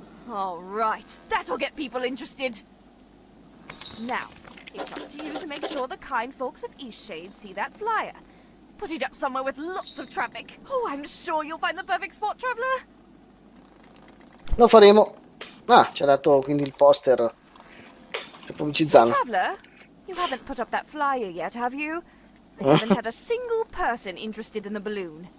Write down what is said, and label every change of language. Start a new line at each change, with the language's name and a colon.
English: All right, that'll get people interested. Now, it's up to you to make sure the kind folks of Eastshade see that flyer. Put it up somewhere with lots of traffic. Oh, I'm sure you'll find the perfect spot, traveler.
Italian: Lo faremo. Ah, ci ha dato quindi il poster per pubblicizzarlo.
English: Traveler, you haven't put up that flyer yet, have you? I haven't had a single person interested in the balloon.